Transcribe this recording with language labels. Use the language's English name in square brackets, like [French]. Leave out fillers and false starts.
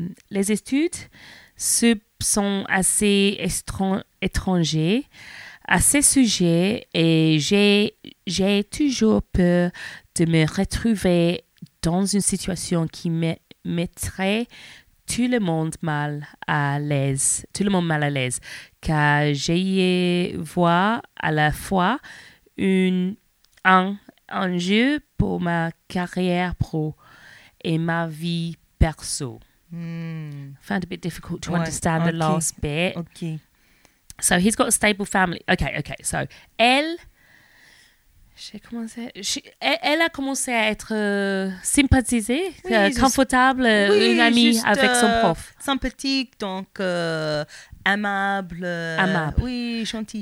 [French] Les études sont assez étrangères à ces sujets et j'ai toujours peur de me retrouver dans une situation qui mettrait tout le monde mal à l'aise, car j'y vois à la fois un jeu pour ma carrière pro et ma vie perso. [English] Found a bit difficult to understand the last bit. Okay. So he's got a stable family. Okay. [French] So elle a commencé à être sympathisée, confortable, une amie juste, avec son prof. Sympathique, donc aimable. Amable. Oui, gentil.